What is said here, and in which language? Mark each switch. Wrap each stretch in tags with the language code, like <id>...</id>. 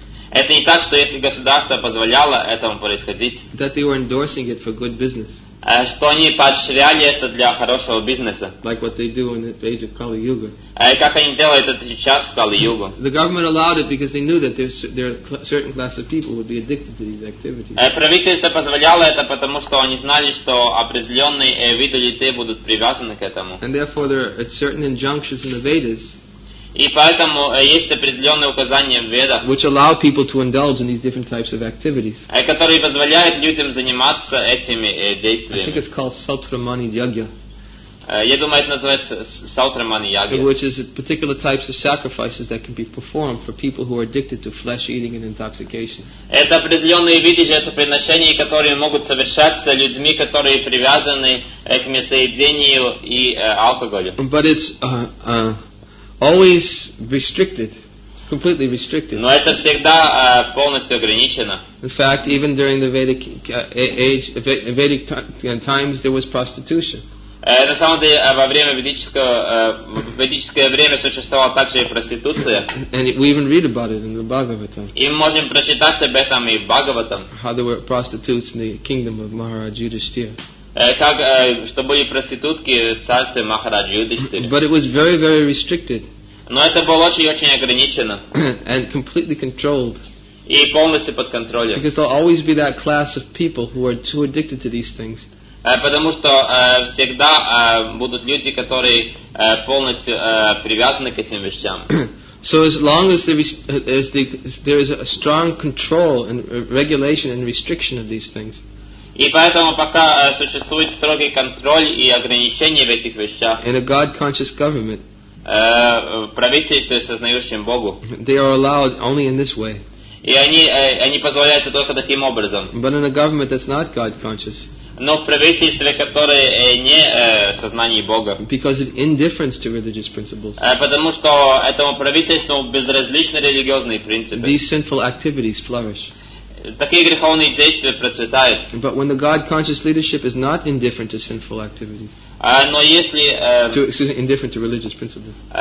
<ru>Это не так, что если государство позволяло этому происходить.</ru> <en>That they were endorsing it for good business.</en> <ru>Что они поощряли это для хорошего бизнеса.</ru> <en>Like what they do in the age of Kali Yuga.</en> <ru>Как они делают это сейчас в Kali Yuga.</ru> <en>The government allowed it because they knew that there certain class of people would be addicted to these activities.</en> <ru>Правительство позволяло это, потому что они знали, что определенные виды людей будут привязаны к этому.</ru> <en>And therefore there are certain injunctions in the Vedas.</en> <ru>И поэтому есть определенные указания в Ведах,</ru> <en>which allow people to indulge in these different types of activities.</en> <ru>Которые позволяют людям заниматься этими действиями.</ru> <en>I think it's called Sautramani Yagya.</en> <ru>Я думаю, это называется Sautramani Yagya.</ru> <en>Which is particular types of sacrifices that can be performed for people who are addicted to flesh eating and intoxication.</en> <ru>Это определенные виды жертвоприношений, которые могут совершаться людьми, которые привязаны к мясоедению и алкоголю.</ru> <en>But it's always restricted, completely restricted.</en> <ru>Но это всегда полностью ограничено.</ru> <en>In fact, even during the Vedic Vedic times, there was prostitution.</en> <ru>На самом деле во время ведическое время существовала также и проституция.</ru> <en>And we even read about it in the Bhagavatam.</en> <ru>И мы можем прочитать об этом и в Бхагаватам.</ru> <en>How there were prostitutes in the kingdom of Maharaj Yudhishthira.</en> <ru>Как, что были проститутки в царстве Махарадж Юдхиштхиры.</ru> <en>But it was very, very restricted.</en> <ru>Но это было очень-очень ограничено.</ru> <en>And completely controlled.</en> <ru>И полностью под контролем.</ru> <en>Because there'll always be that class of people who are too addicted to these things.</en> <ru>Потому что всегда будут люди, которые полностью привязаны к этим вещам.</ru> <en>So as long as there is a strong control and regulation and restriction of these things,</en> <ru>и поэтому пока существует строгий контроль и ограничения в этих вещах.</ru> <en>In a God-conscious government,</en> <ru>в правительстве, сознающем Богу.</ru> <en>They are allowed only in this way.</en> <ru>И они позволяются только таким образом.</ru> <en>But in a government that's not God-conscious,</en> <ru>но в правительстве, которое не в сознании Бога.</ru> <en>Because of indifference to religious principles.</en> <ru>Потому что этому правительству безразличны религиозные принципы.</ru> <en>These sinful activities flourish.</en> <ru>Такие греховные действия процветают.</ru> <en>But when the God-conscious leadership is not indifferent to sinful activities, indifferent to religious principles,</en>